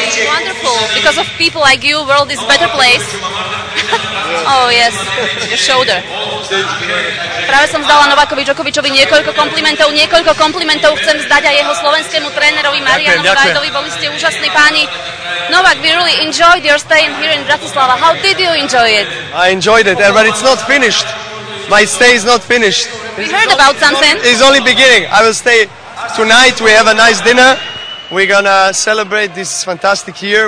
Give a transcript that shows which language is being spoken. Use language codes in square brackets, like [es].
[en] Wonderful, because of people like you, world is better place. Oh yes, your shoulder. [sk] Práve som vzdala Novákovi Djokovičovi niekoľko komplimentov chcem vzdať aj jeho slovenskému trénerovi Marianovi Vajdovi. Boli ste úžasní páni. [en] Novák, we really enjoyed your stay here in Bratislava. How did you enjoy it? I enjoyed it, but it's not finished. My stay is not finished. We heard about something. It's only beginning. I will stay tonight, we have a nice dinner. We're gonna celebrate this fantastic year.